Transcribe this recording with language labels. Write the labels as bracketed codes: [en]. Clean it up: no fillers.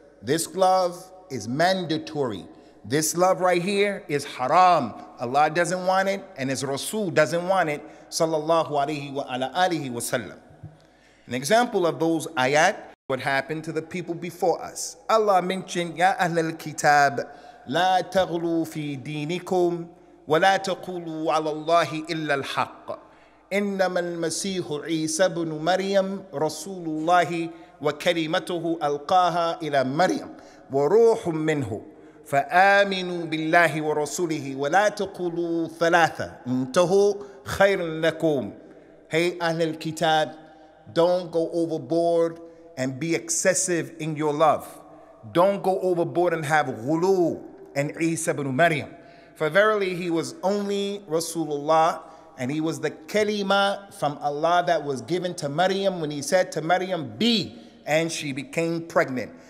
[en] This love is mandatory. This love right here is haram. Allah doesn't want it, and his Rasul doesn't want it, sallallahu alaihi wasallam. An example of those ayat, what happened to the people before us. Allah mentioned, [ar] Ya Ahl al-Kitab, لا تغلوا في دينكم ولا تقولوا على الله إلا الحق إنما المسيح عيسى بن مريم رسول الله وكلمته ألقاها إلى مريم وروح منه فآمنوا بالله ورسوله ولا تقولوا ثلاثة انتهوا خير لكم. [en] Hey أهل الكتاب, don't go overboard and be excessive in your love. Don't go overboard and have غلو and Isa ibn Maryam. For verily he was only Rasulullah, and he was the kalima from Allah that was given to Maryam when he said to Maryam, be, and she became pregnant.